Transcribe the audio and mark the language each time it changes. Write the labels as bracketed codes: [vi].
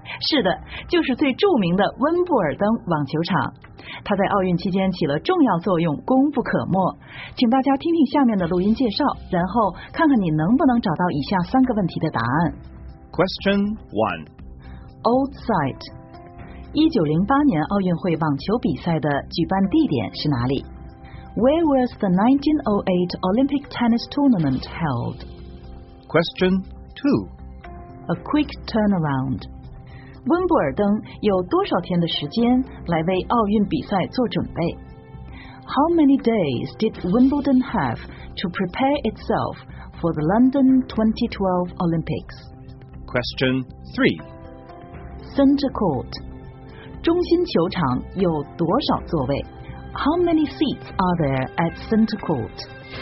[zh] 是的，就是最著名的温布尔登网球场，它在奥运期间起了重要作用，功不可没。请大家听听下面的录音介绍，然后看看你能不能找到以下三个问题的答案。 [en] Question one. Old site. [zh] 1908年奥运会网球比赛的举办地点是哪里？ [en] Where was the 1908 Olympic tennis tournament held? Question two. A quick turnaround. [zh] 温布尔登有多少天的时间来为奥运比赛做准备？ [en] How many days did Wimbledon have to prepare itself for the London 2012 Olympics? Question 3. [zh] Center court. 中心球场有多少座位？ [en] How many seats are there at center court?